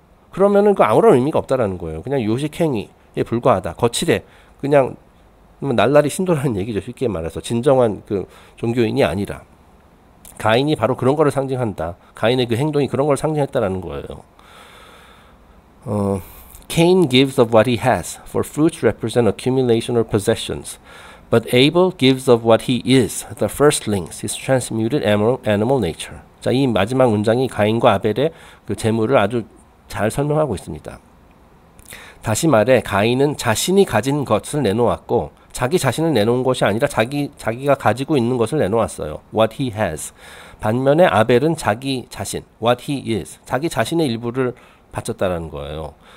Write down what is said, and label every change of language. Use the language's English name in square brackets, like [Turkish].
[Korean] 그러면은 그 아무런 의미가 없다라는 거예요. 그냥 요식 행위에 불과하다. 거칠해. 그냥 날라리 신도라는 얘기죠. 쉽게 말해서 진정한 그 종교인이 아니라. 가인이 바로 그런 거를 상징한다. 가인의 그 행동이 그런 걸 상징했다라는 거예요. [English] Cain gives of what he has, for fruits represent accumulation or possessions. But Abel gives of what he is, the firstlings, his transmuted animal nature. [Korean] 자, 이 마지막 문장이 가인과 아벨의 그 재물을 아주 잘 설명하고 있습니다. 다시 말해, 가인은 자신이 가진 것을 내놓았고, 자기 자신을 내놓은 것이 아니라 자기가 가지고 있는 것을 내놓았어요. [English] What he has. [Korean] 반면에 아벨은 자기 자신, [English] what he is, [Korean] 자기 자신의 일부를 바쳤다라는 거예요.